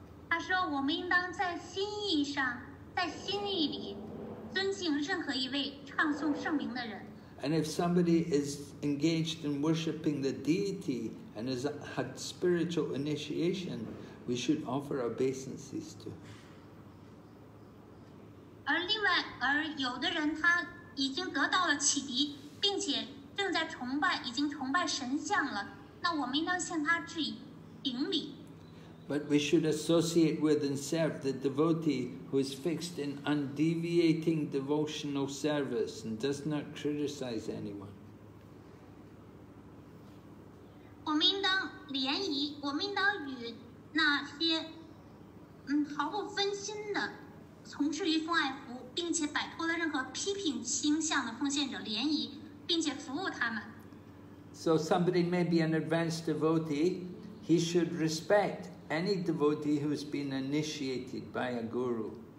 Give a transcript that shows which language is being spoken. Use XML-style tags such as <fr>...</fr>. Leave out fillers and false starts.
<en>And if somebody is engaged in worshipping the deity and has had spiritual initiation, we should offer obeisances to him.</en> <zh>而有的人他已经得到了启迪，并且正在崇拜，已经崇拜神像了。那我们应当向他致以顶礼。</zh> <en>But we should associate with and serve the devotee who is fixed in undeviating devotional service and does not criticize anyone.</en> <zh>我们应当联谊，我们应当与那些毫不分心的从事于奉爱服务，并且摆脱了任何批评倾向的奉献者联谊，并且服务他们。</zh> <en>So somebody may be an advanced devotee, he should respect any devotee who has been initiated by a guru.</en>